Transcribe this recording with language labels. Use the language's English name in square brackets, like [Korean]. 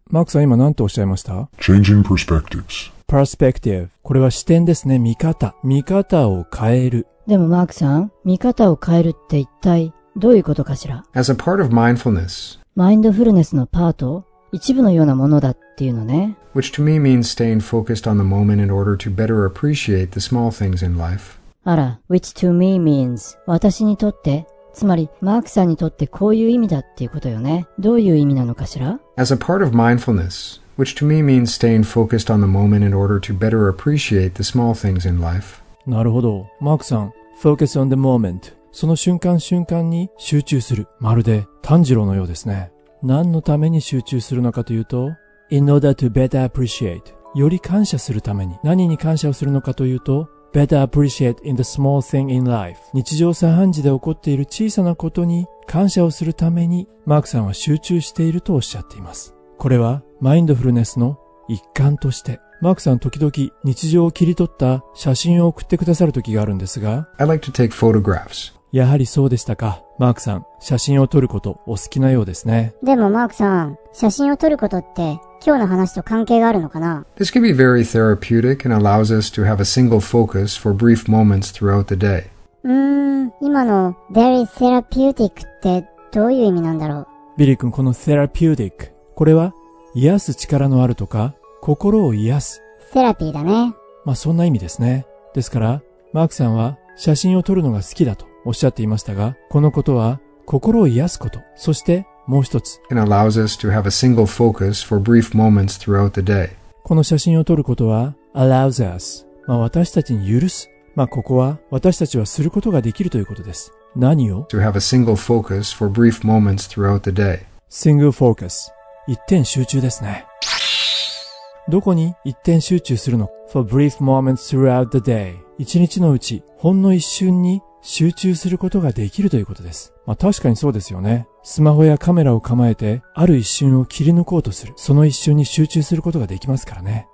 [Japanese] マークさん、今何とおっしゃいました？ [English] Changing perspectives。 [Japanese] Perspective、 これは視点ですね。見方、見方を変える。でもマークさん、見方を変えるって一体どういうことかしら？ [English] As a part of mindfulness。 [Japanese] マインドフルネスのパート、一部のようなものだっていうのね。 [English] Which to me means staying focused on the moment in order to better appreciate the small things in life。 [Japanese] あら、 [English] which to me means [Japanese] 私にとって、つまりマークさんにとってこういう意味だっていうことよね。どういう意味なのかしら？ [English] As a part of mindfulness, which to me means staying focused on the moment in order to better appreciate the small things in life。 [Japanese] なるほど、マークさん、 [English] focus on the moment、 [Japanese] その瞬間瞬間に集中する、まるで炭治郎のようですね。何のために集中するのかというと、 [English] in order to better appreciate、 [Japanese] より感謝するために。何に感謝をするのかというと、 [English] Better appreciate in the small thing in life。 [Japanese] 日常茶飯事で起こっている小さなことに感謝をするために、マークさんは集中しているとおっしゃっています。これはマインドフルネスの一環として。マークさん、時々日常を切り取った写真を送ってくださる時があるんですが、 [English] I like to take photographs。 [Japanese] やはりそうでしたか。マークさん、写真を撮ることお好きなようですね。でもマークさん、写真を撮ることって今日の話と関係があるのかな？ [English] This can be very therapeutic and allows us to have a single focus for brief moments throughout the day。 [Japanese] 今の [English] very therapeutic [Japanese] ってどういう意味なんだろう？ビリー君、この therapeutic、 これは癒す力のあるとか心を癒す、セラピーだね。まあそんな意味ですね。ですからマークさんは写真を撮るのが好きだとおっしゃっていましたが、このことは心を癒すこと、そしてもう一つ、 [English] It allows us to have a single focus for brief moments throughout the day。 [Japanese] この写真を撮ることは [English] allows us、 [Japanese] まあ私たちに許す、まあここは私たちはすることができるということです。何を？ [English] To have a single focus for brief moments throughout the day。 Single focus、 [Japanese] 一点集中ですね。どこに一点集中するの？ [English] For brief moments throughout the day。 [Japanese] 一日のうちほんの一瞬に集中することができるということです。まあ確かにそうですよね。スマホやカメラを構えてある一瞬を切り抜こうとする、その一瞬に集中することができますからね。